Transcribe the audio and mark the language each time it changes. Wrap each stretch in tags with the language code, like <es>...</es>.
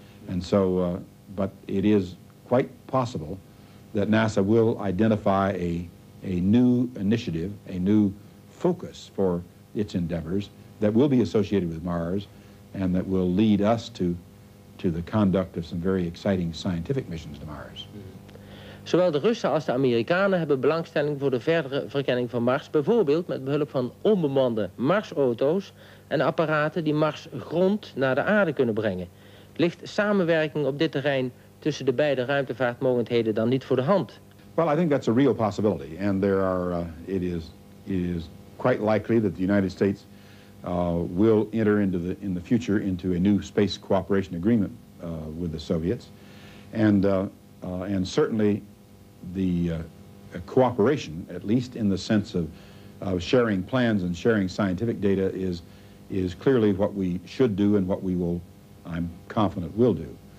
<en>And so, but it is quite possible that NASA will identify a new initiative, a new focus for its endeavors that will be associated with Mars and that will lead us to the conduct of some very exciting scientific missions to Mars.</en> <nl>Zowel de Russen als de Amerikanen hebben belangstelling voor de verdere verkenning van Mars, bijvoorbeeld met behulp van onbemande Marsauto's en apparaten die Mars grond naar de aarde kunnen brengen. Ligt samenwerking op dit terrein tussen de beide ruimtevaartmogendheden dan niet voor de hand?</nl> <en>Well, I think that's a real possibility, and there are it is quite likely that the United States will enter into the in the future into a new space cooperation agreement with the Soviets, and and certainly the cooperation, at least in the sense of sharing plans and sharing scientific data, is clearly what we should do and what we will, I'm confident, will do.</en>